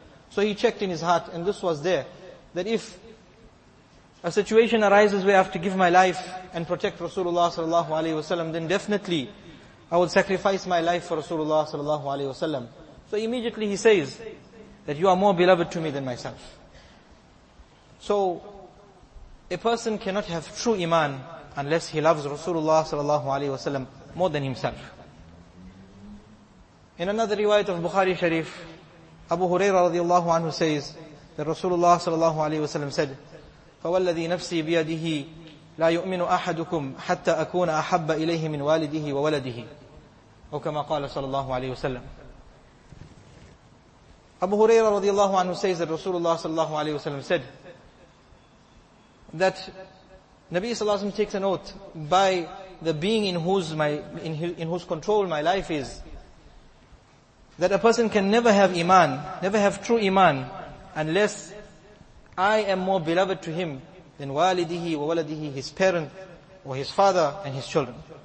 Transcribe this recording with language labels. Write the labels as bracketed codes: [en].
[en] So he checked in his heart, and this was there, that if a situation arises where I have to give my life and protect Rasulullah sallallahu alayhi wa sallam, then definitely I would sacrifice my life for Rasulullah sallallahu alayhi wa sallam. So immediately he says that you are more beloved to me than myself. So a person cannot have true iman unless he loves Rasulullah sallallahu alayhi wa sallam more than himself. In another riwayat of Bukhari Sharif, Abu Huraira radiallahu anhu says that Rasulullah sallallahu alayhi wa sallam said, [ar] فَوَالَّذِي نَفْسِي بِيَدِهِ لَا يُؤْمِنُ أَحَدُكُمْ حَتَّى أَكُونَ أَحَبَّ إِلَيْهِ مِنْ وَالِدِهِ وَوَلَدِهِ أو كما قال صلى الله عليه وسلم. [en] Abu Huraira radiallahu anhu says that Rasulullah sallallahu alayhi wa sallam said that Nabi sallallahu alayhi wa sallam takes an oath by the being in whose control my life is, that a person can never have iman, never have true iman, unless I am more beloved to him than [ar] walidihi wa waladihi, [en] his parent or his father and his children.